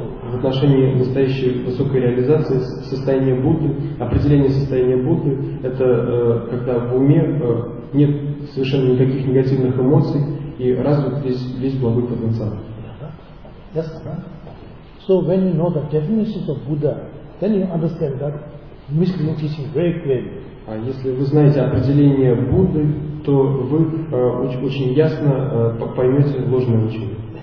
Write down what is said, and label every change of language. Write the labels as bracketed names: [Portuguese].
[Russian] В отношении настоящей высокой реализации состояния Будды, определение состояния Будды, это когда в уме нет совершенно никаких негативных эмоций и развит весь благой потенциал. [English] Yes, so when you know the definition of Buddha, then you understand that misleading teaching very clearly. [Russian] А если вы знаете определение Будды, то вы очень ясно поймете ложное учение.